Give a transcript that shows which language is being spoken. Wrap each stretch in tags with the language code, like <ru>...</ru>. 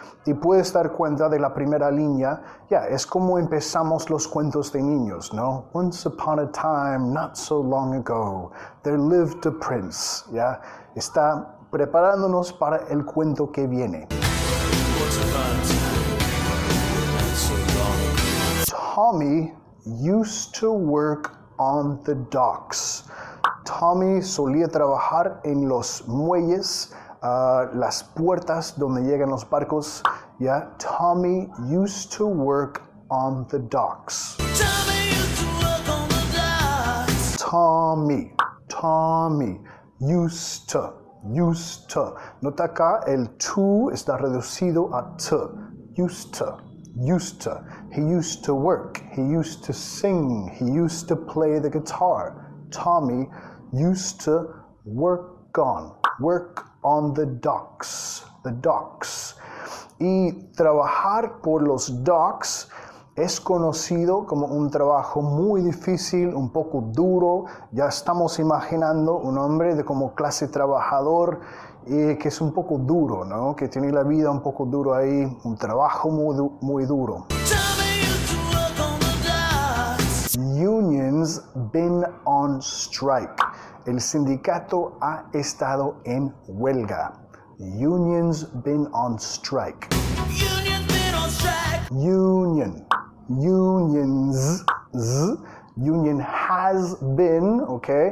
<es>Y puedes dar cuenta de la primera línea, ya, es como empezamos los cuentos de niños, ¿no?</es> <en>Once upon a time, not so long ago, there lived a prince, ¿ya?</en> <es>Está preparándonos para el cuento que viene.</es> <en>Tommy used to work on the docks.</en> <es>Tommy solía trabajar en los muelles, las puertas donde llegan los barcos.</es> <en>Yeah, Tommy used to work on the docks. Tommy used to work on the docks. Tommy used to.</en> <es>Nota acá, el to está reducido a to.</es> <en>Used to. He used to work. He used to sing. He used to play the guitar. Tommy used to work on the docks. The docks.</en> <es>Y trabajar por los docks es conocido como un trabajo muy difícil, un poco duro. Ya estamos imaginando un hombre de como clase trabajador que es un poco duro, ¿no? Que tiene la vida un poco duro ahí, un trabajo muy, muy duro.</es> <en>Tommy used to work on the docks. Union's been on strike.</en> <es>El sindicato ha estado en huelga.</es> <en>Union's been on strike. Union's been on strike. Union. Union's. Z. Union has been. Ok.</en>